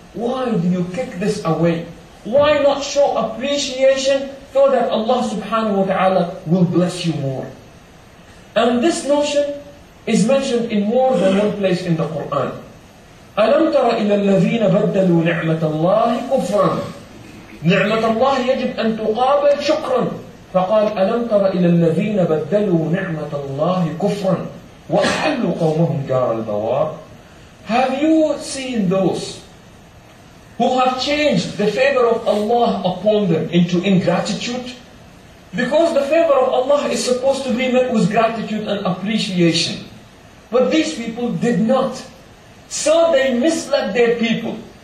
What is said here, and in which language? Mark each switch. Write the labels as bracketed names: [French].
[English] Why do you kick this away? Why not show appreciation so that Allah subhanahu wa ta'ala will bless you more? And this notion is mentioned in more than one place in the Quran. [Arabic] أَلَمْ تَرَ إِلَى الَّذِينَ بَدَّلُوا نِعْمَةَ اللَّهِ كُفْرًا. نعمة الله يجب أن تقابل شكرا. فقال ألم تر إلى الذين بدلوا نعمة الله كفرا وأحلوا قومهم دار البوار. [English] Have you seen those who have changed the favor of Allah upon them into ingratitude? Because the favor of Allah is supposed to be met with gratitude and appreciation. But these people did not. So they misled their people.